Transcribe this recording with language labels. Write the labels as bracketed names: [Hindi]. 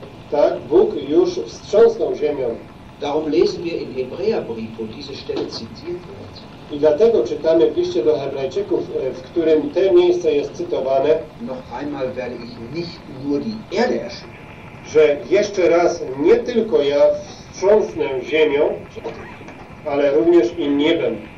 [Polish] Tak, Bóg już wstrząsnął ziemią. [German] Darum lesen wir im Hebräerbrief, wo diese Stelle zitiert wird. [Polish] I dlatego czytamy w liście do Hebrajczyków, w którym te miejsce jest cytowane. [German] Noch einmal werde ich nicht nur die Erde erschüttern. [Polish] Że jeszcze raz nie tylko ja wstrząsnę ziemią, ale również i niebem.